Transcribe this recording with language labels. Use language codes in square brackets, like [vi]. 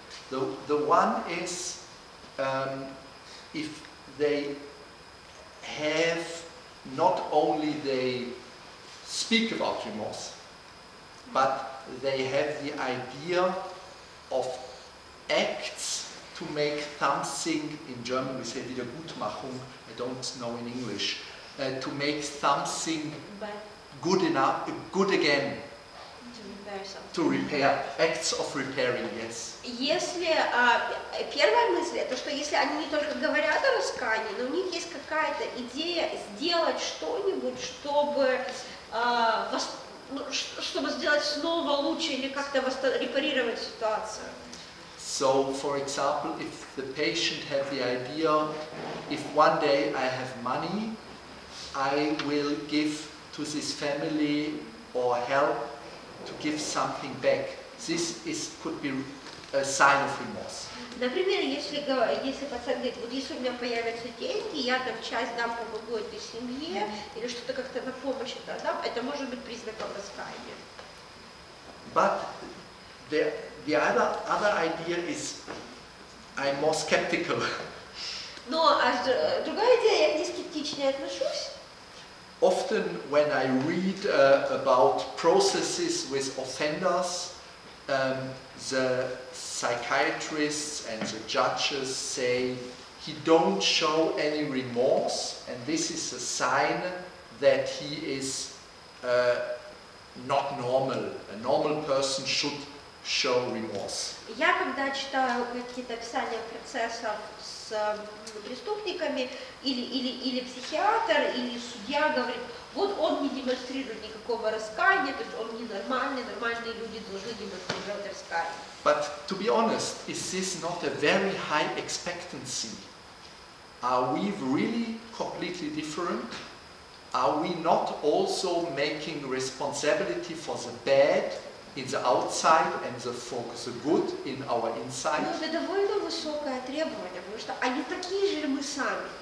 [en] The one is if they have not only they speak about remorse, but they have the idea of acts to make something, in German we say Wiedergutmachung, I don't know in English, to make something good enough, good again. To repair something. To repair, acts of repairing, yes. [ru] Если, первая мысль, это что если они не только говорят о раскаянии, но у них есть какая-то идея сделать что-нибудь, чтобы сделать снова лучше или как-то репарировать ситуацию. [en] So, for example, if the patient had the idea, if one day I have money, I will give to this family or help to give something back. This is could be a sign of remorse. [ru] Например, если пациент говорит, вот если у меня появятся деньги, я там часть дам помогу этой семье или что-то как-то на помощь это дам, это может быть признаком раскаяния. [en] But the other idea is I'm more skeptical. [ru] Но другая идея, я к ней скептичнее отношусь. [en] Often when I read about processes with offenders, the psychiatrists and the judges say he don't show any remorse, and this is a sign that he is not normal. A normal person should show remorse. [ru] Я когда читаю какие-то описания процессов с преступниками или психиатр или судья говорит, вот он не демонстрирует никакого раскаяния, то есть он ненормальный, нормальные люди должны демонстрировать раскаяние. [en] But to be honest, is this not a very high expectancy? Are we really completely different? Are we not also making responsibility for the bad in the outside and the focus the good in our inside? [ru] Ну, это довольно высокое требование, потому что они такие же мы сами.